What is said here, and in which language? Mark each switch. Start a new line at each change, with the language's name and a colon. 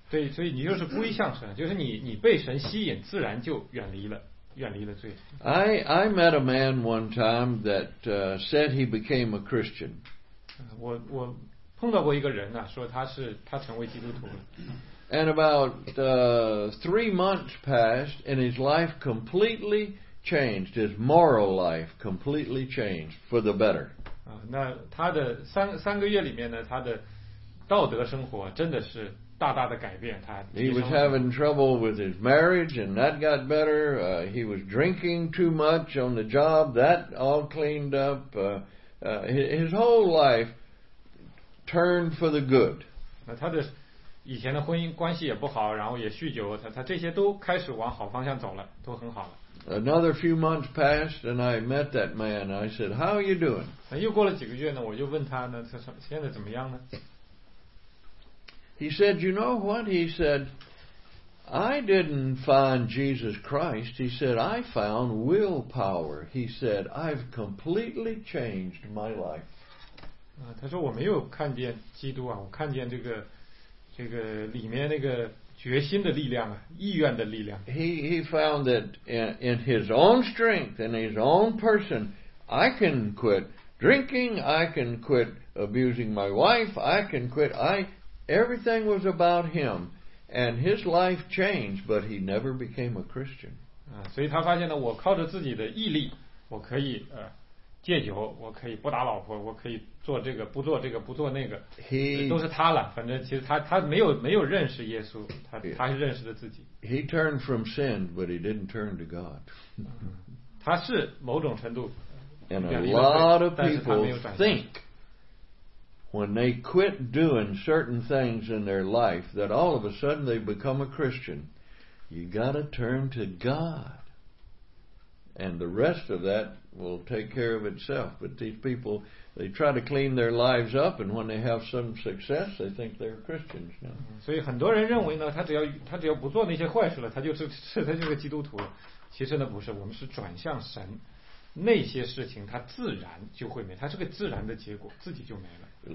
Chinese: 对，所以你就是归向神，就是你被神吸引，自然就远离了罪。I
English: met a man one time that said he became a Christian.
Chinese: 我碰到过一个人呢，说他成为基督徒了。And
English: about 3 months passed, and his life completely changed, his moral life completely changed for the better.
Chinese: 那他的三个月里面呢，他的道德生活真的是大大的改变。他提升了。
English: He was having trouble with his marriage, and that got better. He was drinking too much on the job, that all cleaned up. His whole life turned for the good.
Chinese: 那他的以前的婚姻关系也不好，然后也酗酒，他这些都开始往好方向走了，都很好了。
English: Another few months passed, and I met that man. I said, "How are you doing?"
Chinese: 那又过了几个月呢，我就问他呢，他说现在怎么样呢
English: ？He said, "You know what?" He said, "I didn't find Jesus Christ." He said, "I found willpower." He said, "I've completely changed my life."
Chinese: 他说我没有看见基督啊，我看见这个里面那个决心的力量啊，意愿的力量。
English: He found that in his own strength, in his own person, I can quit drinking, I can quit abusing my wife, I can quit. Everything was about him, and his life changed, but he never became a Christian.
Chinese: 所以他发现呢，我靠着自己的毅力，我可以戒酒，我可以不打老婆，我可以做这个不做这个不做那个，都是他了。反正其实他没有认识耶稣，他是认识的自己。
English: He turned from sin, but he didn't turn to God.
Chinese: 他是某种程度。
English: And a lot of people think when they quit doing certain things in their life that all of a sudden they become a Christian. You gotta turn to God. And the rest of that will take care of itself. But these people, they try to clean their lives up, and when they have some success, they think they're Christians now.
Chinese: 所以很多人认为呢，他只要不做那些坏事了，他就是基督徒了。其实呢，不是，我们是转向神，那些事情他自然就会没，他是个自然的结果，自己就没了。